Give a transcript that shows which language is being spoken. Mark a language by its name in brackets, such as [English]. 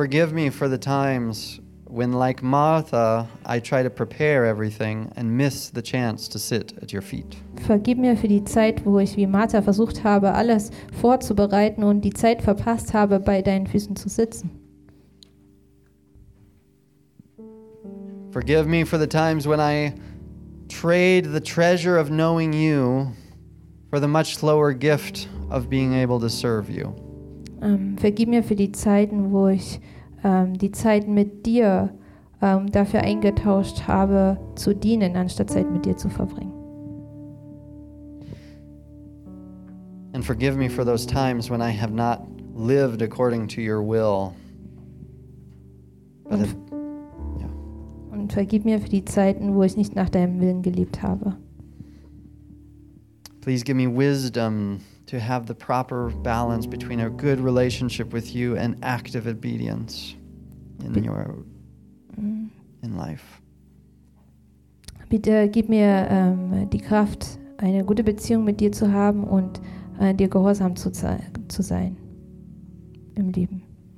[English] Forgive me for the times when, like Martha, I try to prepare everything and miss the chance to sit at your feet. [German] Vergib mir für die Zeit, wo ich wie Martha versucht habe, alles vorzubereiten und die Zeit verpasst habe, bei deinen Füßen zu sitzen. [English] Forgive me for the times when I trade the treasure of knowing you for the much lower gift of being able to serve you. [German] Vergib mir für die Zeiten, wo ich die Zeit mit dir dafür eingetauscht habe, zu dienen, anstatt Zeit mit dir zu verbringen. [English] And forgive me for those times when I have not lived according to your will. [German] Und vergib mir für die Zeiten, wo ich nicht nach deinem Willen gelebt habe. [English] Please give me wisdom to have the proper balance between a good relationship with you and active obedience in life. [German] Bitte gib mir die Kraft, eine gute Beziehung mit dir zu haben und dir gehorsam zu sein im Leben.